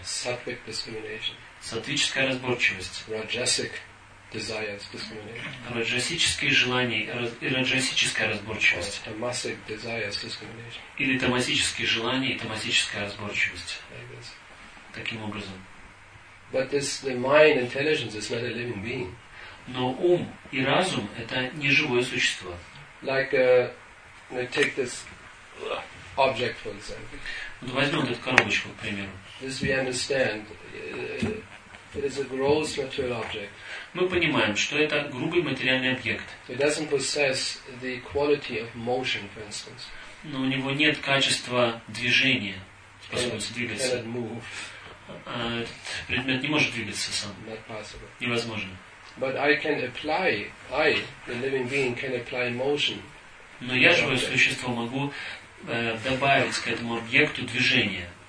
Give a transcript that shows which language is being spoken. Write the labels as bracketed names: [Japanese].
[English] Sattvic discrimination. [Russian] Сатвическая разборчивость. [English] Rajasic desires discrimination. [Russian] Раджасические желания и раджасическая разборчивость. [English] Tamasic desires discrimination. [Russian] Или тамасические желания и тамасическая разборчивость. [English] Like this. [Russian] Таким образом. [English] But this the mind intelligence is not a living being. [Russian] Но ум и разум это не живое существо. [English] Like take this. Object, for example. [Russian] Вот возьмем эту коробочку, к примеру. [English] This we understand. It is a gross material object. [Russian] Мы понимаем, что это грубый материальный объект. [English] It doesn't possess the quality of motion, for instance. [Russian] Но у него нет качества движения, способности двигаться. [English] Cannot move. [Russian] Этот предмет не может двигаться сам. [English] Not possible. [Russian] Невозможно. [English] But I, the living being, can apply motion. [Russian] Но я, живое существо, могу добавить к этому объекту движение.